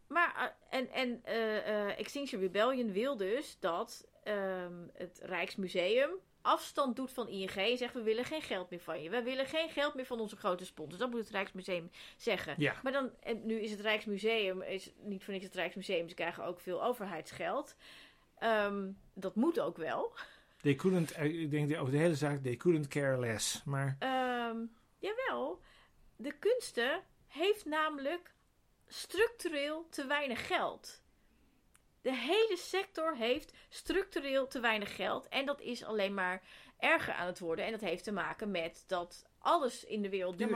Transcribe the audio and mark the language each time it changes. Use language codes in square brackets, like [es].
[nl] Maar Extinction Rebellion wil dus dat het Rijksmuseum afstand doet van ING en zegt, we willen geen geld meer van je. We willen geen geld meer van onze grote sponsors. Dat moet het Rijksmuseum zeggen. Ja. Maar dan, en nu is het Rijksmuseum, is niet voor niks het Rijksmuseum, ze krijgen ook veel overheidsgeld. Dat moet ook wel. [en] They couldn't, [nl] ik denk over de hele zaak, [en] they couldn't care less. [nl] Maar jawel, de kunsten heeft namelijk structureel te weinig geld. De hele sector heeft structureel te weinig geld. En dat is alleen maar erger aan het worden. En dat heeft te maken met dat alles in de wereld duurder